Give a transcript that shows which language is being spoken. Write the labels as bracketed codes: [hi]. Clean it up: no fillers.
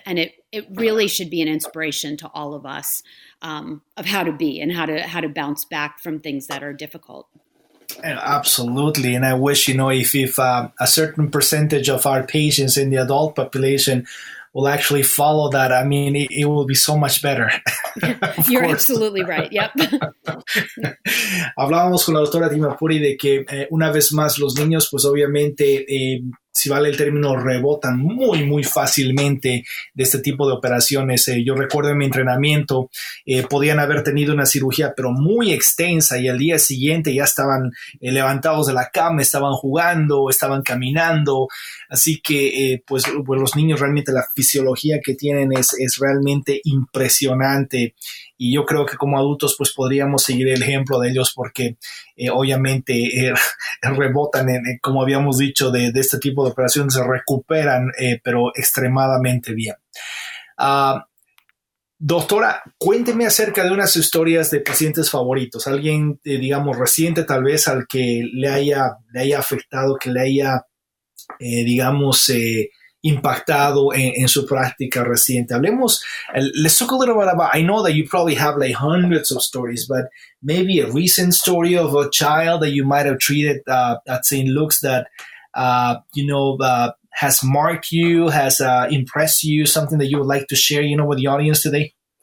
[en] And it really should be an inspiration to all of us of how to be and how to bounce back from things that are difficult. Absolutely. And I wish, you know, if a certain percentage of our patients in the adult population will actually follow that, I mean, it will be so much better. You're absolutely right. Yep. [es] Hablábamos con la doctora Dimapuri de que una vez más los niños, pues obviamente, si vale el término, rebotan muy, muy fácilmente de este tipo de operaciones. Yo recuerdo en mi entrenamiento, podían haber tenido una cirugía, pero muy extensa, y al día siguiente ya estaban levantados de la cama, estaban jugando, estaban caminando. Así que, pues los niños realmente la fisiología que tienen es realmente impresionante. Y yo creo que como adultos pues podríamos seguir el ejemplo de ellos porque obviamente rebotan, como habíamos dicho, de este tipo de operaciones, se recuperan, pero extremadamente bien. Doctora, cuénteme acerca de unas historias de pacientes favoritos. Alguien, digamos, reciente tal vez al que le haya afectado, que le haya, impactado en su práctica reciente. Hablemos, [en] let's talk a little bit about, I know that you probably have like hundreds of stories, but maybe a recent story of a child that you might have treated at St. Luke's that, has marked you, has impressed you, something that you would like to share, you know, with the audience today?